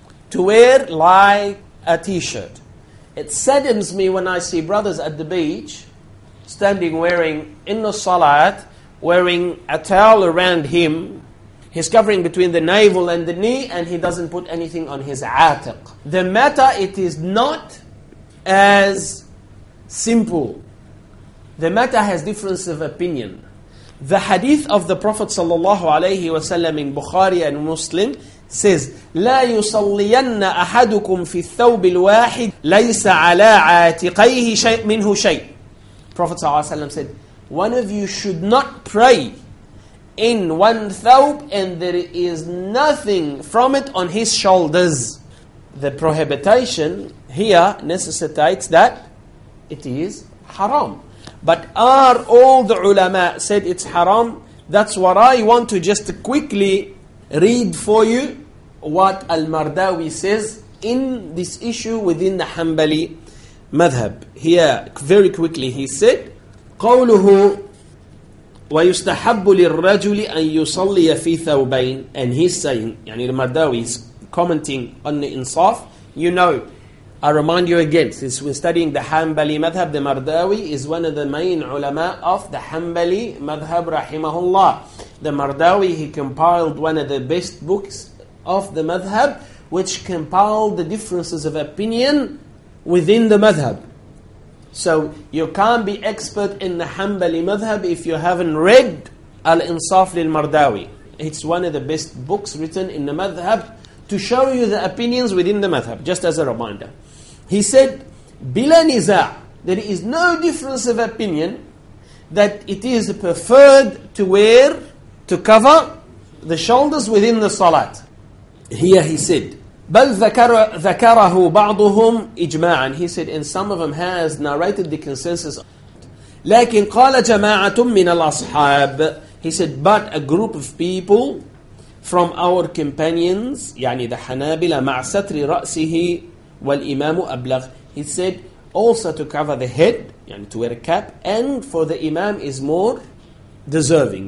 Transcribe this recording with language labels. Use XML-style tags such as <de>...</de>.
<en>To wear like a t-shirt. It saddens me when I see brothers at the beach standing wearing in the salat, wearing a towel around him. He's covering between the navel and the knee, and he doesn't put anything on his atiq. The matter, it is not as simple. The matter has difference of opinion. The hadith of the Prophet ﷺ in Bukhari and Muslim says,</en> <ar>لَا يُصَلِّيَنَّ أَحَدُكُمْ فِي الثَّوْبِ الْوَاحِدِ لَيْسَ عَلَىٰ عَاتِقَيْهِ مِنْهُ شَيْءٍ.</ar> <en>Prophet ﷺ said, one of you should not pray in one thawb and there is nothing from it on his shoulders. The prohibition here necessitates that it is haram. But are all the ulama said it's haram? That's what I want to just quickly read for you what Al-Mardawi says in this issue within the Hanbali madhab. Here, very quickly, he said,</en> <ar>قَوْلُهُ وَيُسْتَحَبُّ لِلْرَّجُلِ أَن يُصَلِّيَ فِي ثَوْبَيْنِ.</ar> <en>And he's saying,</en> <ar>يعني</ar> <en>Al-Mardawi is commenting on the insaf. You know, I remind you again, since we're studying the Hanbali madhab, the Mardawi is one of the main ulama of the Hanbali madhab, rahimahullah. The Mardawi, he compiled one of the best books of the madhab, which compiled the differences of opinion within the madhab. So you can't be expert in the Hanbali madhab if you haven't read Al-Insaf lil-Mardawi. It's one of the best books written in the madhab to show you the opinions within the madhab, just as a reminder. He said, bila niza', there is no difference of opinion that it is preferred to wear, to cover the shoulders within the salat. Here he said,</en> <ar>بَلْ ذَكَرَهُ بَعْضُهُمْ إِجْمَاعًا.</ar> <en>He said, and some of them has narrated the consensus.</en> <ar>لَكِنْ قَالَ جَمَاعَةٌ مِّنَ الْأَصْحَابِ.</ar> <en>He said, but a group of people from our companions,</en> <ar>يعني</ar> <en>the</en> <ar>حنابلة مع ستر رأسه والإمام أبلغ.</ar> <en>He said, also to cover the head,</en> <ar>يعني</ar> <en>to wear a cap, and for the Imam is more deserving.</en>